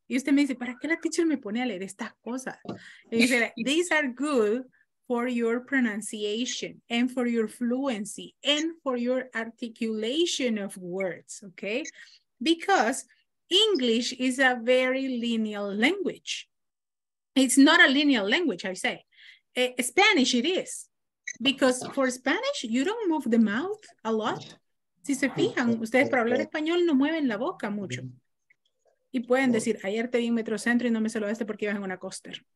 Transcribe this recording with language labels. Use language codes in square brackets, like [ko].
[es] Y usted me dice, ¿para qué la teacher me pone a leer estas cosas? Y dice, [en] these are good for your pronunciation and for your fluency and for your articulation of words, okay? Because English is a very lineal language. It's not a lineal language, I say. Spanish, it is. Because for Spanish, you don't move the mouth a lot. [es] Si se fijan, ustedes para hablar español no mueven la boca mucho. Y pueden decir, ayer te vi en Metrocentro y no me saludaste porque ibas en una coaster.